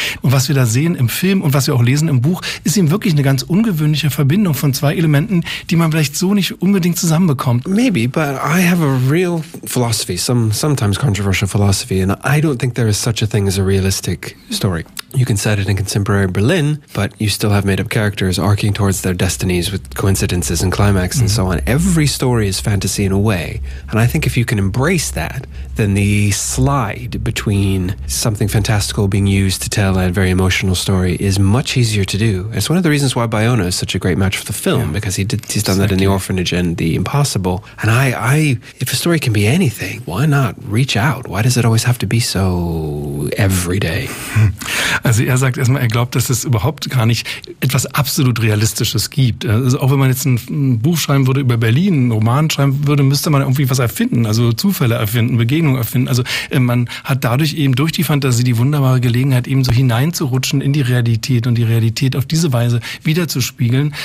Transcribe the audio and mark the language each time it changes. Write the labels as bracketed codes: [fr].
[de] Und was wir da sehen im Film und was wir auch lesen im Buch, ist eben wirklich eine ganz ungewöhnliche Verbindung von zwei Elementen, die man vielleicht so nicht unbedingt zusammenbekommt. [en] Maybe, but I have a real philosophy, sometimes controversial philosophy, and I don't think there is such a thing as a realist story. You can set it in contemporary Berlin, but you still have made-up characters arcing towards their destinies with coincidences and climax and so on. Every story is fantasy in a way, and I think if you can embrace that, then the slide between something fantastical being used to tell a very emotional story is much easier to do. It's one of the reasons why Bayona is such a great match for the film, yeah. Because he's done that in The Orphanage and The Impossible. And I, if a story can be anything, why not reach out? Why does it always have to be so everyday? [de] Also er sagt erstmal, er glaubt, dass es überhaupt gar nicht etwas absolut Realistisches gibt. Also auch wenn man jetzt ein Buch schreiben würde über Berlin, einen Roman schreiben würde, müsste man irgendwie was erfinden, also Zufälle erfinden, Begegnungen erfinden. Also man hat dadurch eben durch die Fantasie die wunderbare Gelegenheit, eben so hineinzurutschen in die Realität und die Realität auf diese Weise wiederzuspiegeln.